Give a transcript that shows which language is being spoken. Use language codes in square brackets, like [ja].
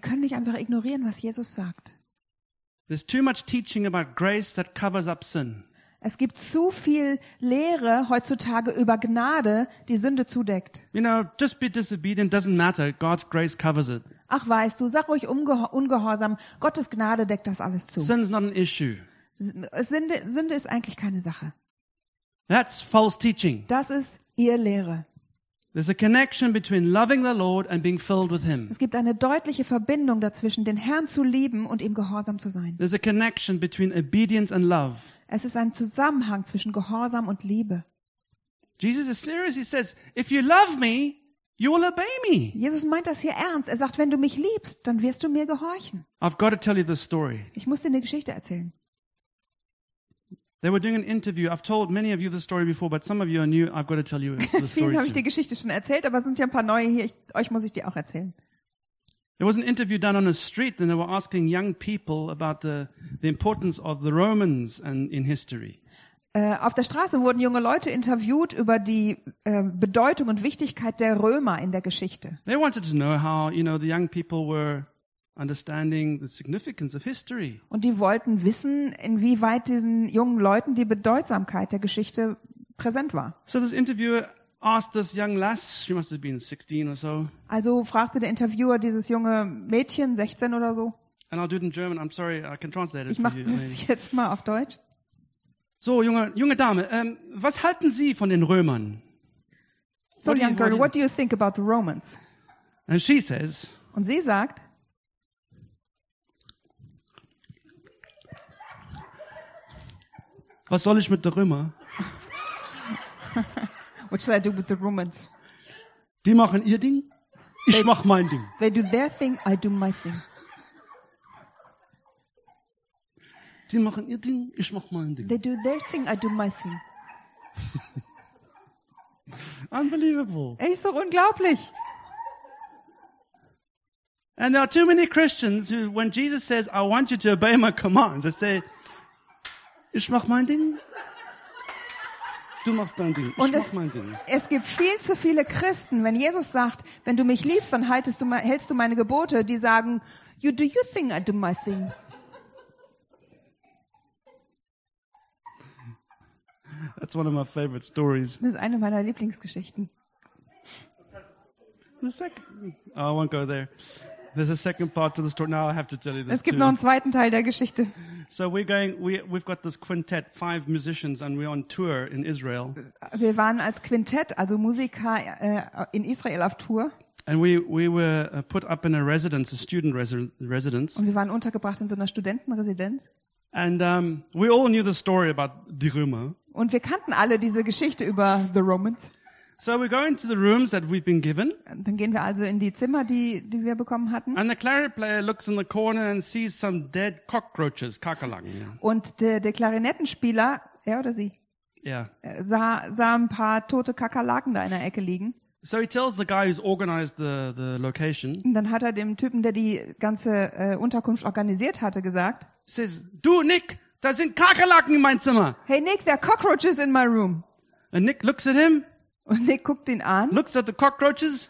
[de] Wir können nicht einfach ignorieren, was Jesus sagt. [en] There's too much teaching about grace that covers up sin. [de] Es gibt zu viel Lehre heutzutage über Gnade, die Sünde zudeckt. [en] You know, just be disobedient doesn't matter. God's grace covers it. [de] Ach, weißt du, sag ruhig ungehorsam. Gottes Gnade deckt das alles zu. [en] Sin's not an issue. [de] Sünde ist eigentlich keine Sache. [en] That's false teaching. [de] Das ist ihr Lehre. [en] There's a connection between loving the Lord and being filled with him. [de] Es gibt eine deutliche Verbindung dazwischen, den Herrn zu lieben und ihm gehorsam zu sein. [en] There's a connection between obedience and love. [de] Es ist ein Zusammenhang zwischen Gehorsam und Liebe. [en] Jesus is serious. He says, if you love me, you will obey me. [de] Jesus meint das hier ernst. Er sagt, wenn du mich liebst, dann wirst du mir gehorchen. [en] I've got to tell you the story. [de] Ich muss dir eine Geschichte erzählen. [en] They were doing an interview. I've told many of you the story before, but some of you are new. I've got to tell you the story too. [de] Vielen habe ich die Geschichte schon erzählt, aber es sind ja ein paar neue hier. Euch muss ich die auch erzählen. [en] There was an interview done on a street, and they were asking young people about the importance of the Romans and in history. [de] Auf der Straße wurden junge Leute interviewt über die Bedeutung und Wichtigkeit der Römer in der Geschichte. [en] They wanted to know how, you know, the young people were understanding the significance of history. [de] Und die wollten wissen, inwieweit diesen jungen Leuten die Bedeutsamkeit der Geschichte präsent war. [en] So this interviewer asked this young lass, she must have been 16 or so. [de] Also fragte der Interviewer dieses junge Mädchen, 16 oder so. [en] And I'll do it in German. I'm sorry, I can translate it. [de] Ich mache das jetzt mal auf Deutsch. So, junge Dame, was halten Sie von den Römern? [en] So, young girl, what do you think about the Romans? And she says. [de] Und sie sagt. Was soll ich mit den Römern? [en] What shall I do with the Romans? [de] Die machen ihr Ding, ich mach mein Ding. [en] They do their thing, I do my thing. [de] Die machen ihr Ding, ich mach mein Ding. [en] They do their thing, I do my thing. Unbelievable. [de] Ist doch unglaublich. [en] And there are too many Christians who, when Jesus says, I want you to obey my commands, they say, [de] ich mach mein Ding. Du machst dein Ding. Es gibt viel zu viele Christen, wenn Jesus sagt, wenn du mich liebst, dann hältst du meine Gebote, die sagen, [en] you do your thing, I do my thing. That's one of my favorite stories. [de] Das ist eine meiner Lieblingsgeschichten. [en] I won't go there. There's a second part to the story. Now I have to tell you this. [de] Es gibt [en] too. [de] Noch einen zweiten Teil der Geschichte. [en] So we've got this quintet, 5 musicians, and we're on tour in Israel. [de] Wir waren als Quintett, also Musiker in Israel auf Tour. [en] And we were put up in a residence, a student residence. [de] Und wir waren untergebracht in so einer Studentenresidenz. [en] And we all knew the story about [de] die Römer. Und wir kannten alle diese Geschichte über [en] the Romans. So we go into the rooms that we've been given. [de] Dann gehen wir also in die Zimmer, die wir bekommen hatten. [en] And the clarinet player looks in the corner and sees some dead cockroaches, Kakerlaken. [de] Und der Klarinettenspieler, er oder sie? Ja. Yeah. Sah ein paar tote Kakerlaken da in der Ecke liegen. [en] So he tells the guy who's organized the location. [de] Und dann hat er dem Typen, der die ganze Unterkunft organisiert hatte, gesagt. [en] Says, [de] du Nick, da sind Kakerlaken in mein Zimmer. [en] Hey Nick, there are cockroaches in my room. And Nick looks at him. [de] Und Nick guckt ihn an. [en] Looks at the cockroaches.